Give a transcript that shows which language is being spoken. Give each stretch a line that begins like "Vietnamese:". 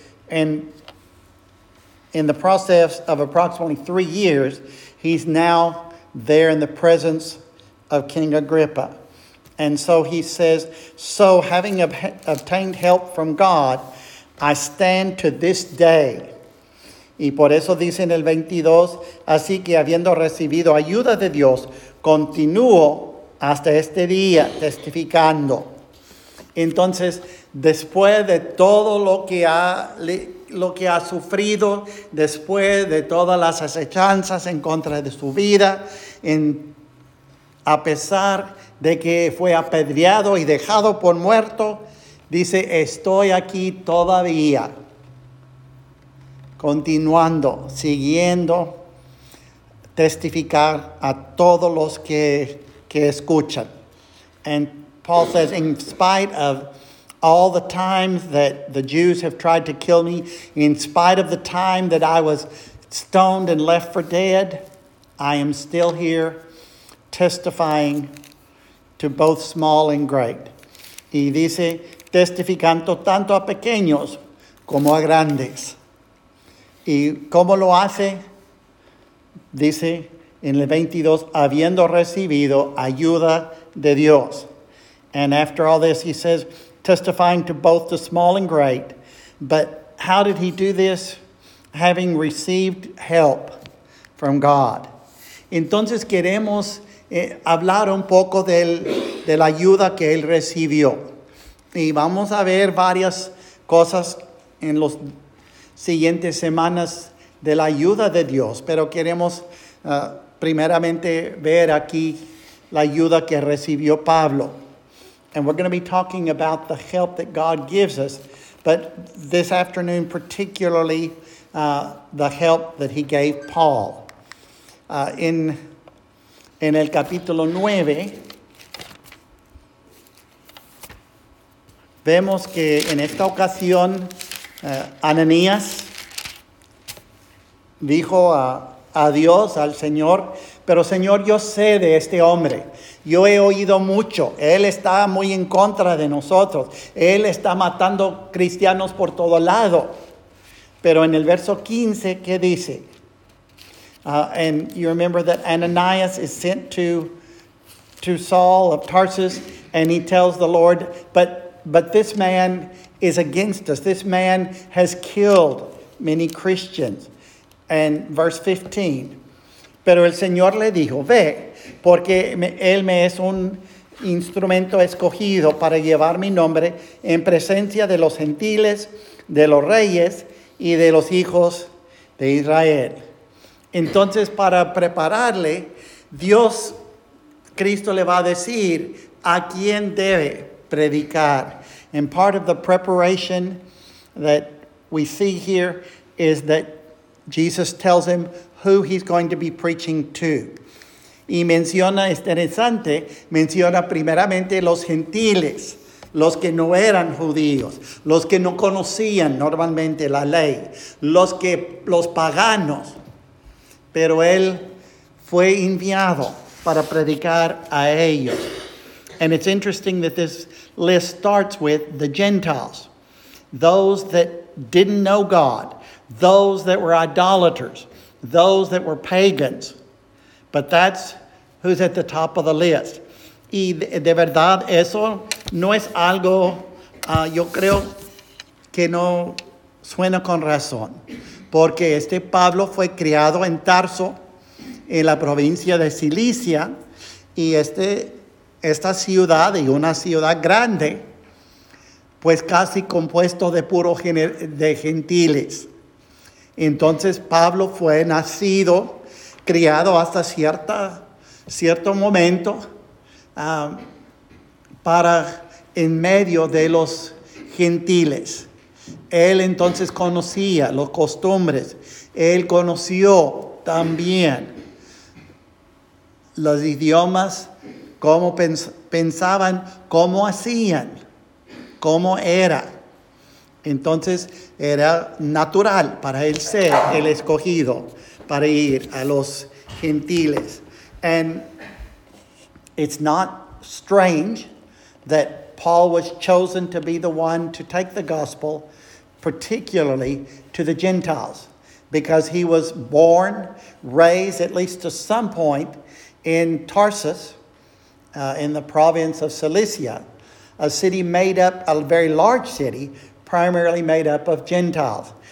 English: And in the process of approximately 3 years, he's now there in the presence of King Agrippa. And so he says, "So having obtained help from God, I stand to this day."
Spanish: Y por eso dice en el 22, "Así que habiendo recibido ayuda de Dios, continúo hasta este día testificando." Entonces, después de todo lo que ha sufrido, después de todas las acechanzas en contra de su vida, a pesar de que fue apedreado y dejado por muerto, dice, "Estoy aquí todavía, continuando, siguiendo, testificar a todos los que escuchan."
English: And Paul says, "In spite of all the times that the Jews have tried to kill me, in spite of the time that I was stoned and left for dead, I am still here testifying to both small and great."
Spanish: Y dice, "Testificando tanto a pequeños como a grandes." ¿Y cómo lo hace? Dice en el 22, "habiendo recibido ayuda de Dios."
English: And after all this, he says, "testifying to both the small and great." But how did he do this? Having received help from God.
Spanish: Entonces queremos hablar un poco de la ayuda que él recibió. Y vamos a ver varias cosas en las siguientes semanas de la ayuda de Dios. Pero queremos primeramente ver aquí la ayuda que recibió Pablo.
English: And we're going to be talking about the help that God gives us. But this afternoon particularly, the help that he gave Paul.
Spanish: En el capítulo 9... vemos que en esta ocasión Ananías dijo a Dios, al Señor, "Pero Señor, yo sé de este hombre, yo he oído mucho, él está muy en contra de nosotros, él está matando cristianos por todo lado." Pero en el verso 15, ¿qué dice?
English: And you remember that Ananias is sent to Saul of Tarsus, And he tells the Lord, but this man is against us. This man has killed many Christians. And verse 15.
Spanish: Pero el Señor le dijo, ve, porque él me es un instrumento escogido para llevar mi nombre en presencia de los gentiles, de los reyes y de los hijos de Israel. Entonces, para prepararle, Dios, Cristo le va a decir a quién debe predicar.
English: And part of the preparation that we see here is that Jesus tells him who he's going to be preaching to.
Spanish: Y menciona, es interesante, menciona primeramente los gentiles, los que no eran judíos, los que no conocían normalmente la ley, los paganos. Pero él fue enviado para predicar a ellos.
English: And it's interesting that this list starts with the Gentiles, those that didn't know God, those that were idolaters, those that were pagans. But that's who's at the top of the list.
Spanish: Y de verdad, eso no es algo, yo creo que no suena con razón. Porque este Pablo fue criado en Tarso, en la provincia de Cilicia. Y esta ciudad, y una ciudad grande, pues casi compuesto de puro de gentiles. Entonces Pablo fue nacido, criado hasta cierto momento para en medio de los gentiles. Él entonces conocía las costumbres. Él conoció también los idiomas, cómo pensaban, cómo hacían, cómo era. Entonces era natural para él ser el escogido para ir a los gentiles.
English: And it's not strange that Paul was chosen to be the one to take the gospel, particularly to the Gentiles, because he was born, raised at least to some point in Tarsus, in the province of Cilicia, a city made up, a very large city, primarily made up of Gentiles.